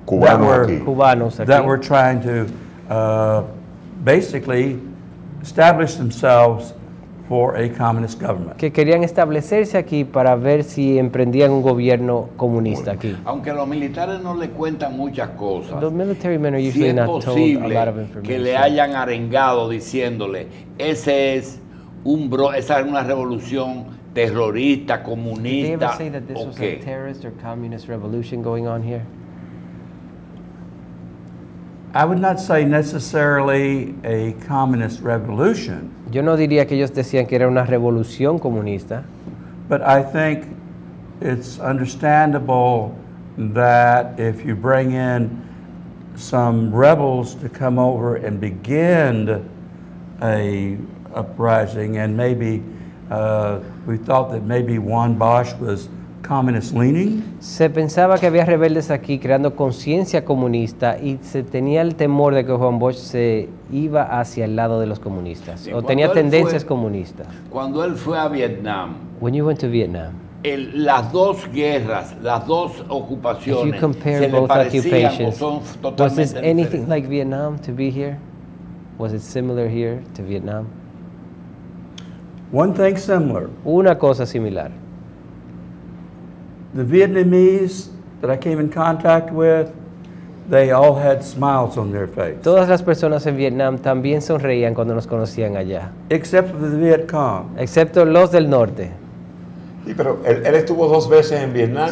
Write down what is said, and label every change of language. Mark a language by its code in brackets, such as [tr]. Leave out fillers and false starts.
[en] Cubanos aquí. That were trying to basically establish themselves for a communist government. [es] Que querían establecerse aquí para ver si emprendían un gobierno comunista aquí. Aunque los militares no le cuentan muchas cosas. [en] The military men are usually not told a lot of information. [es] Que le hayan arengado diciéndole, esa es una revolución terrorista, comunista. [en] Did they ever say that this was a terrorist or communist revolution going on here? I would not say necessarily a communist revolution. [es] Yo no diría que ellos decían que era una revolución comunista. [en] But I think it's understandable that if you bring in some rebels to come over and begin a uprising, and maybe we thought that maybe Juan Bosch was communist leaning. [es] Se pensaba que había rebeldes aquí creando conciencia comunista y se tenía el temor de que Juan Bosch se iba hacia el lado de los comunistas o tenía tendencias comunistas. Cuando él fue a Vietnam. [en] When you went to Vietnam. [es] Las dos guerras, las dos ocupaciones. If you compare both occupations, [en] was this anything like Vietnam to be here? Was it similar here to Vietnam? One thing similar. [es] Una cosa similar. [en] The Vietnamese that I came in contact with, they all had smiles on their face. [es] Todas las personas en Vietnam también sonreían cuando nos conocían allá. [en] Except for the Viet Cong. [es] Excepto los del norte. Sí, pero él estuvo dos veces en Vietnam.